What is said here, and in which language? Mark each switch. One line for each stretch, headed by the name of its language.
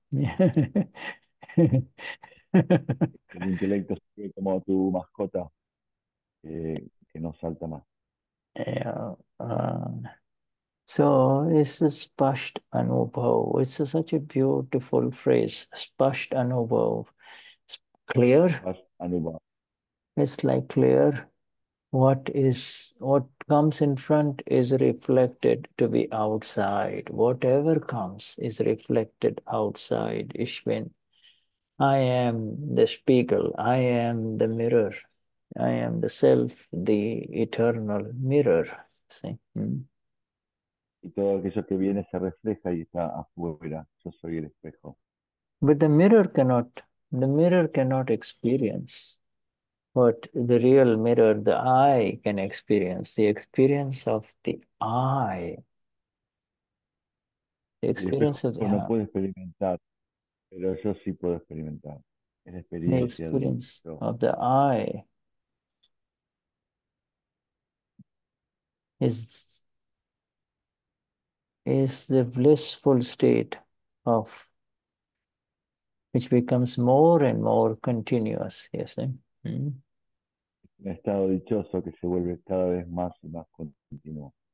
Spanish: El intelecto es como tu mascota, que no salta más.
English: So it's a spashed anubhav. It's a, such a beautiful phrase, spashed anubhav. It's clear. It's like clear. What comes in front is reflected to be outside. Whatever comes is reflected outside. Ishvin, I am the spiegel. I am the mirror. I am the self, the eternal mirror. See?
Spanish: Y todo aquello que viene se refleja y está afuera. Yo soy el espejo.
English: But the mirror cannot experience what the real mirror, the eye, can experience. The experience of the eye. The experience of the
Spanish: eye. No puede experimentar, pero yo sí puedo experimentar. La experiencia,
English: the experience of the eye is the blissful state of which becomes more and more continuous, you see? Mm-hmm.
Spanish: Un estado dichoso que se vuelve cada vez más y más continuo.